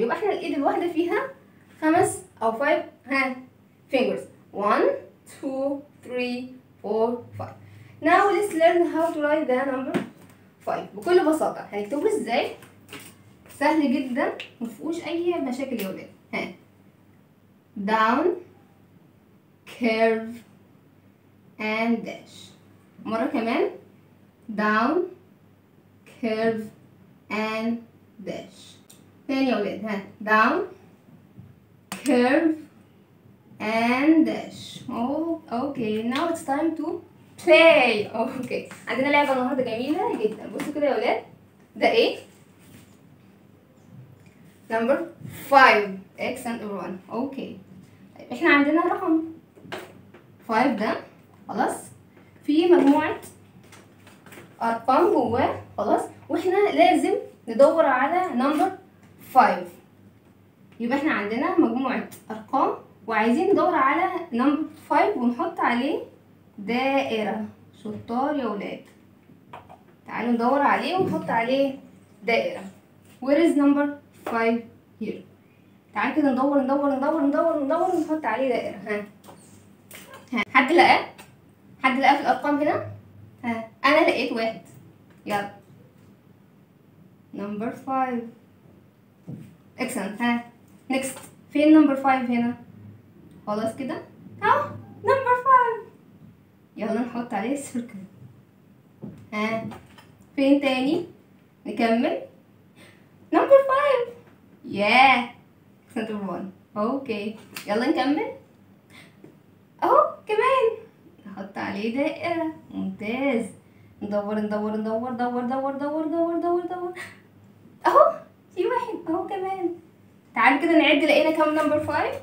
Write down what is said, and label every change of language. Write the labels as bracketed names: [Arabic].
[Arabic] يبقى احنا الايد الواحده فيها 5 او 5 [English] hand fingers. 1 2 3 4 5. Now let's learn how to write the number 5. [Arabic] بكل بساطه هنكتبه ازاي؟ سهل جدا ما فيهوش اي مشاكل يا ولاد. [English] down curve and dash. [Arabic] مرة كمان. [English] down curve and dash. [Arabic] تاني أولاد. [English] down curve and dash. okay now it's time to play. [Arabic] okay عندنا لعبة النهاردة جميلة جدا. بصوا كده يا أولاد. ده ايه؟ [English] number 5 x and 1. [Arabic] okay طيب احنا عندنا رقم 5 ده خلاص في مجموعة أرقام جواه خلاص، وإحنا لازم ندور على number 5. يبقى إحنا عندنا مجموعة أرقام وعايزين ندور على number 5 ونحط عليه دائرة. شطار يا ولاد، تعالوا ندور عليه ونحط عليه دائرة. [English] where is number 5 here؟ [Arabic] تعالوا كده ندور ندور ندور ندور ندور ونحط عليه دائرة. ها حد لقى؟ حد لقى في الأرقام هنا؟ ها أنا لقيت واحد. [English] يلا number 5 excellent. [Arabic] ها next فين number 5 هنا؟ خلاص كده؟ ها number 5 يلا نحط عليه السيركل. ها فين تاني؟ نكمل [English] number 5 yeah excellent one. [Arabic] okay يلا نكمل اهو كمان نحط عليه دائرة. ممتاز. ندور ندور ندور دور دور دور دور دور دور اهو في واحد اهو كمان. تعال كده نعد لقينا كام نمبر 5.